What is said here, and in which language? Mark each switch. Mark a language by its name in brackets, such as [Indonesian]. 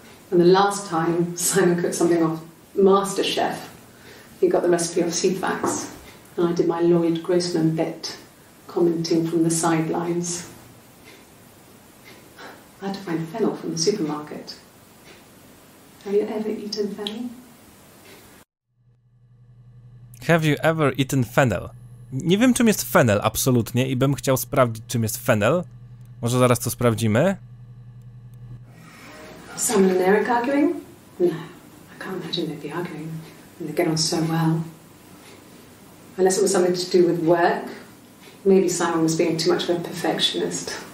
[English] And the last time Simon cooked something off MasterChef, he got the recipe off CFAX, and I did my Lloyd Grossman bit, commenting from the sidelines. I had to find fennel from the supermarket. Have you ever eaten fennel? Have you ever eaten fennel? [Polish] Nie wiem, czym jest fennel absolutnie i bym chciał sprawdzić, czym jest fennel. Może zaraz to sprawdzimy. [English] Simon and Eric arguing? No, I can't imagine they'd be arguing. And they get on so well. Unless it was something to do with work. Maybe Simon was being too much of a perfectionist.